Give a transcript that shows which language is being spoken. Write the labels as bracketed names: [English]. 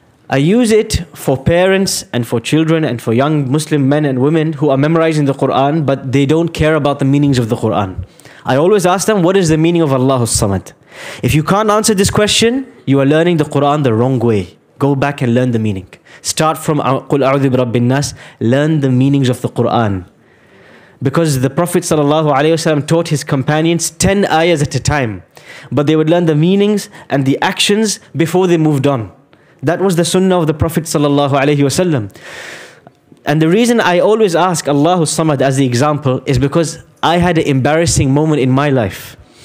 [English] I use it for parents and for children and for young Muslim men and women who are memorizing the Quran, but they don't care about the meanings of the Quran. I always ask them, what is the meaning of Allahus Samad? If you can't answer this question, you are learning the Quran the wrong way. Go back and learn the meaning. Start from [Arabic] قُلْ أَعُوذِ بِرَبِّ النَّاسِ. [English] Learn the meanings of the Quran. Because the Prophet ﷺ taught his companions 10 ayahs at a time. But they would learn the meanings and the actions before they moved on. That was the sunnah of the Prophet ﷺ. And the reason I always ask Allahu Samad as the example is because I had an embarrassing moment in my life.